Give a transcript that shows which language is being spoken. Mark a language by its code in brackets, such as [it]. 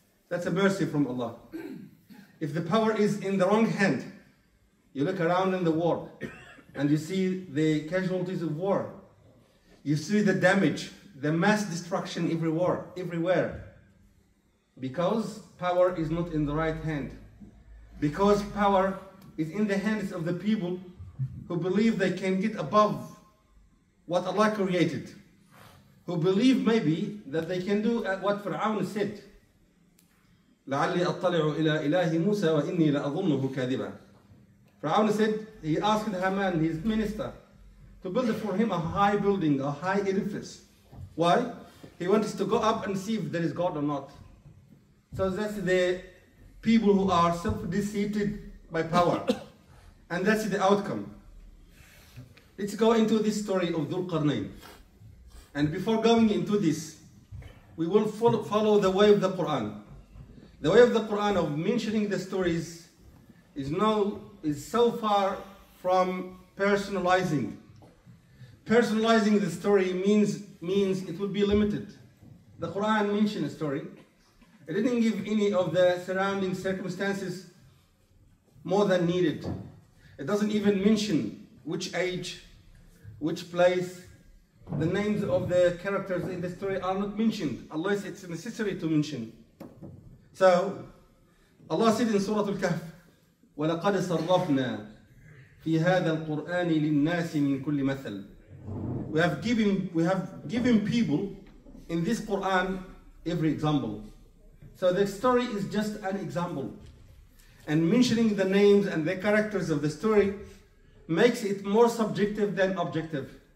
[en] That's a mercy from Allah. If the power is in the wrong hand, you look around in the world and you see the casualties of war, you see the damage, the mass destruction everywhere, because power is not in the right hand. Because power is in the hands of the people who believe they can get above what Allah created. who believe maybe that they can do what Fir'aun said. [ar] لعلي أطلع إلى إله موسى وإني لأظنه كاذبا. [en] Fir'aun said, he asked Haman, his minister, to build for him a high building, a high edifice. Why? He wants to go up and see if there is God or not. So that's the people who are self-deceived by power. And that's the outcome. Let's go into this story of Dhul-Qarnayn. And before going into this, we will follow the way of the Quran. The way of the Quran of mentioning the stories is so far from personalizing. Personalizing the story means it will be limited. The Quran mentioned a story. It didn't give any of the surrounding circumstances more than needed. It doesn't even mention which age, which place. The names of the characters in the story are not mentioned, unless it's necessary to mention. So, Allah said in Surah Al-Kahf, [ar] وَلَقَدْ صَرَّفْنَا فِي هَذَا الْقُرْآنِ لِلنَّاسِ مِنْ كُلِّ مَثَلٍ. [en] We have given people in this Quran every example. So the story is just an example. And mentioning the names and the characters of the story makes it more subjective than objective.